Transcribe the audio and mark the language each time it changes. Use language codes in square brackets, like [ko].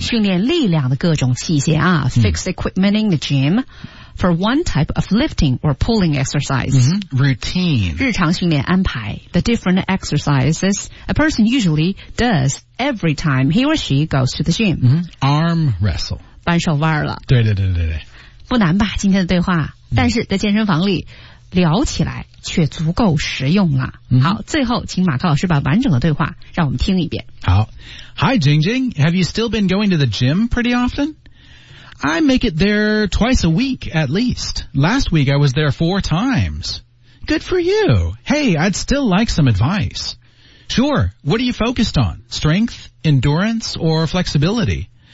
[zh] 训练力量的各种器械啊、 [en] 嗯、fixed equipment in the gymFor one type of lifting or pulling exercise,、 mm-hmm. routine, [zh] 日常训练安排 [en] the different exercises a person usually does every time he or she goes to the gym.、 Mm-hmm. Arm wrestle, [zh] 搬手腕了。对对对对对，不难吧？今天的对话，但是在健身房里聊起来却足够实用了。 Mm-hmm. 好，最后请马克老师把完整的对话让我们听一遍。 [en] 好 ，Hi Jing Jing, have you still been going to the gym pretty often? I make it there twice a week, at least. Last week I was there 4 times. Good for you. Hey, I'd still like some advice. Sure, what are you focused on? Strength, endurance, or flexibility?